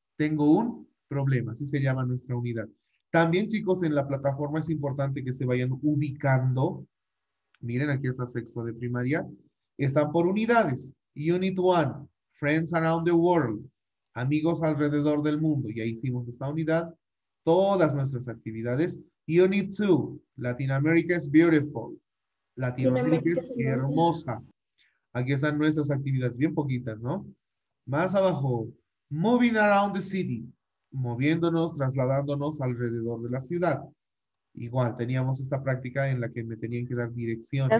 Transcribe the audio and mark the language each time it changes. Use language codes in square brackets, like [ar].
[es] Tengo un problema, así se llama nuestra unidad. También, chicos, en la plataforma es importante que se vayan ubicando. Miren, aquí está sexto de primaria. Están por unidades. [en] Unit 1, Friends Around the World. [es] Amigos alrededor del mundo. Ya hicimos esta unidad. Todas nuestras actividades. [en] Unit 2, Latin America is beautiful. [es] Latinoamérica es hermosa. Aquí están nuestras actividades. Bien poquitas, ¿no? Más abajo, [en] Moving Around the City. [es] Moviéndonos, trasladándonos alrededor de la ciudad. Igual, teníamos esta práctica en la que me tenían que dar direcciones,